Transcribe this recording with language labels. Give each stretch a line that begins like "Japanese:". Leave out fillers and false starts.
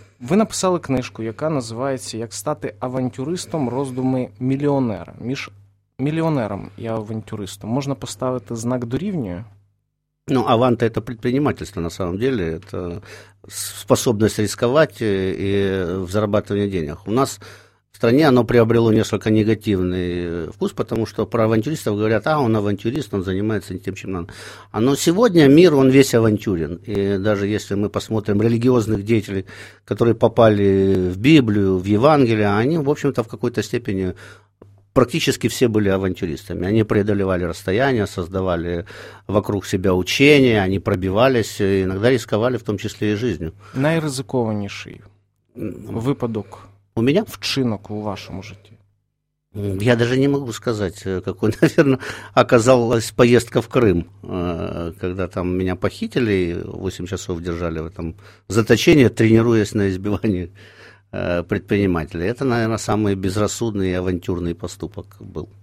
Ukrainian: Ви написали книжку, яка називається «Як стати авантюристом роздуми мільйонера». Між мільйонером і авантюристом можна поставити знак дорівнює?
Russian: Ну, аванта – это предпринимательство, на самом деле, это способность рисковать и зарабатывание денег. У нас в стране оно приобрело несколько негативный вкус, потому что про авантюристов говорят, а он авантюрист, он занимается не тем, чем надо. А но сегодня мир, он весь авантюрен, и даже если мы посмотрим религиозных деятелей, которые попали в Библию, в Евангелие, они, в общем-то, в какой-то степени практически все были авантюристами. Они преодолевали расстояния, создавали вокруг себя учения, они пробивались, иногда рисковали в том числе и жизнью.
Ukrainian: Найризикованіший випадок?
Russian: У меня?
Ukrainian: Вчинок у вашому житті?
Russian: Я даже не могу сказать, какой, наверное, оказалась поездка в Крым, когда там меня похитили, 8 часов держали в этом заточении, тренируясь на избивании предпринимателя. Это, наверное, самый безрассудный и авантюрный поступок был.